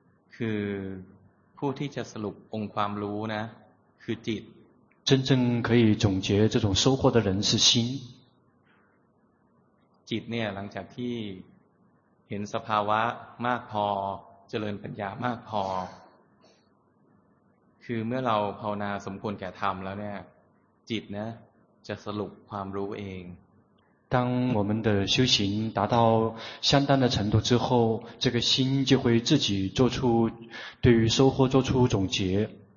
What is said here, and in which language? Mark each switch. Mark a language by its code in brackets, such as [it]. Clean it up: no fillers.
[th] คือผู้ที่จะสรุปองค์ความรู้นะคือจิต [zh] 真正可以总结这种收获的人是心 [th] จิตเนี่ยหลังจากที่เห็นสภาวะมากพอเจริญปัญญามากพอคือเมื่อเราภาวนาสมควรแก่ธรรมแล้วเนี่ยจิตนะจะสรุปความรู้เอง [zh] 当我们的修行达到相当的程度之后这个心就会自己做出对于收获做出总结